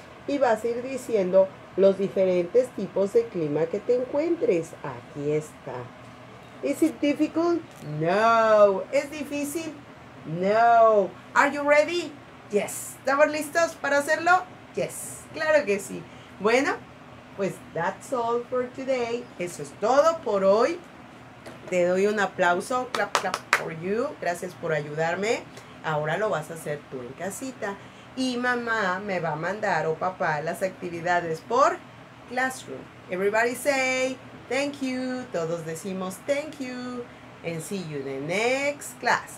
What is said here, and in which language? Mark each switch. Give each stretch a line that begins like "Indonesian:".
Spanish: Y vas a ir diciendo los diferentes tipos de clima que te encuentres. Aquí está.
English: Is it difficult? No.
Spanish: ¿Es difícil? No.
English: Are you ready? Yes.
Spanish: ¿Estamos listos para hacerlo?
English: Yes.
Spanish: Claro que sí. Bueno, pues
English: that's all for today.
Spanish: Eso es todo por hoy. Te doy un aplauso.
English: Clap, clap for you.
Spanish: Gracias por ayudarme. Ahora lo vas a hacer tú en casita. Y mamá me va a mandar, o papá, las actividades por Classroom.
English: Everybody say thank you.
Spanish: Todos decimos
English: thank you. And see you in the next class.